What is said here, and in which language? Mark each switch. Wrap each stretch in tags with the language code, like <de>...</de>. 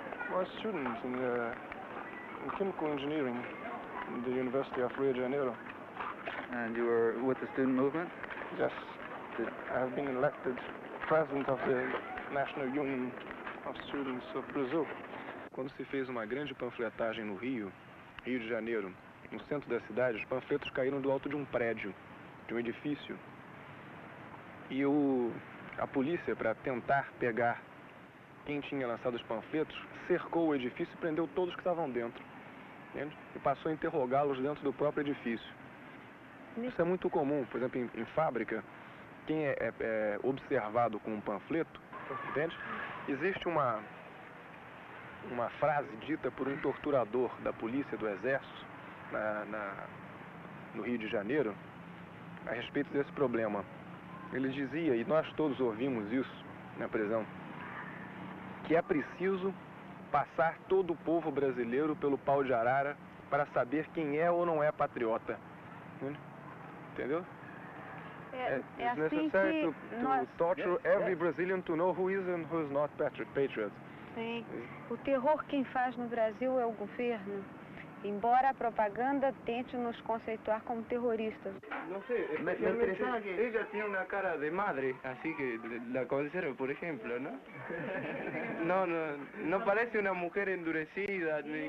<en>I was a student in chemical engineering in the University of Rio de Janeiro. And you were with the student movement? Yes. I have been elected president of the National Union of Students of Brazil.</en> <pt>Quando se fez uma grande panfletagem no Rio de Janeiro, no centro da cidade, os panfletos caíram do alto de um prédio, de um edifício. E a polícia, para tentar pegar quem tinha lançado os panfletos, cercou o edifício e prendeu todos que estavam dentro. Entende? E passou a interrogá-los dentro do próprio edifício. Isso é muito comum, por exemplo, em fábrica, quem é observado com um panfleto, entende? Existe uma frase dita por um torturador da polícia, do exército, no Rio de Janeiro, a respeito desse problema. Ele dizia, e nós todos ouvimos isso na prisão, que é preciso passar todo o povo brasileiro pelo pau de arara para saber quem é ou não é patriota. Entendeu?</pt> <en>It's necessary to torture every Brazilian to know who is and who is not patriot.</en> <pt>O terror quem faz no Brasil é o governo, embora a propaganda tente nos conceituar como terroristas. Não sei, me interessa que ela tinha uma cara de madre, assim que la conservo, por exemplo, não? Não parece uma mulher endurecida.</pt>